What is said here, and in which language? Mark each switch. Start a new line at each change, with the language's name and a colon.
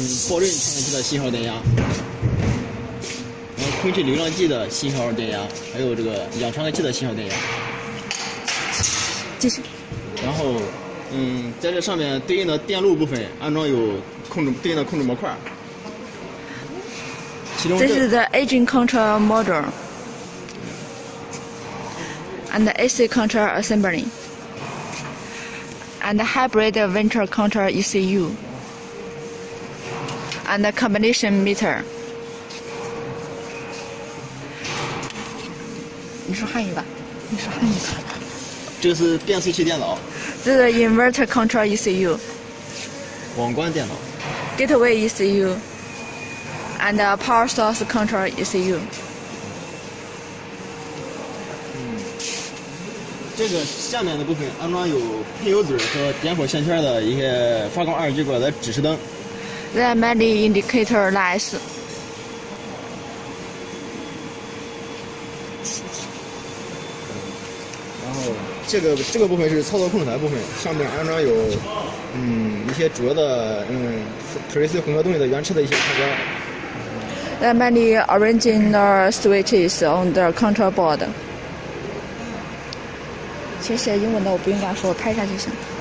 Chinese: 爆震传感器的信号电压。然后空气流浪计的信号电压，还有这个氧传感器的信号电压。继续。然后。在这上面对应的电路部分安装有控制对应的控制模块。其中
English: This is the engine control module and the AC control assembly and the hybrid venture control ECU and the combination meter.
Chinese: 你说汉语吧，你说汉语吧。这是变速器电脑。这是 inverter control ECU，网关电脑
English: ，gateway ECU， and power source control ECU。
Chinese: 这个下面的部分安装有喷油嘴和点火线圈的一些发光二极管的指示灯。
English: There are many indicator lights。
Chinese: 这个部分是操作控制台部分，上面安装有一些主要的Prius混合动力的原车的一些开关。
English: There are many original switches on the control board。
Chinese: 其实写英文的我不用乱说，我拍一下就行。